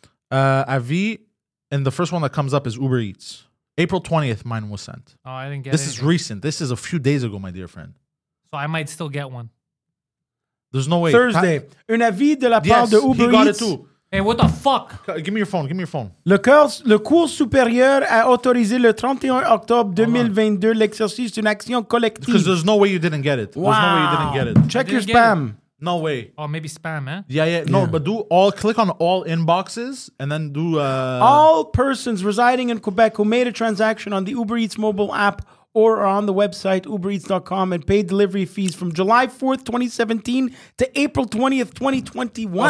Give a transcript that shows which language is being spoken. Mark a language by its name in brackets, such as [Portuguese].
[English] Avi, and the first one that comes up is Uber Eats. April 20th, mine was sent. Oh, I didn't get it. This is recent. This is a few days ago, my dear friend. So I might still get one. There's no way. Thursday. [French] Un avis de la part de Uber Eats. [English] Yes, he got it too. Hey, what the fuck? Give me your phone. Give me your phone. [French] Le cours supérieur a autorisé le 31 octobre 2022 l'exercice d'une action collective. [English] Because there's no way you didn't get it. Wow. There's no way you didn't get it. Check your spam. No way. Oh, maybe spam, eh? Yeah. No, but do all. Click on all inboxes and then do... All persons residing in Quebec who made a transaction on the Uber Eats mobile app or are on the website ubereats.com and paid delivery fees from July 4th, 2017 to April 20th, 2021.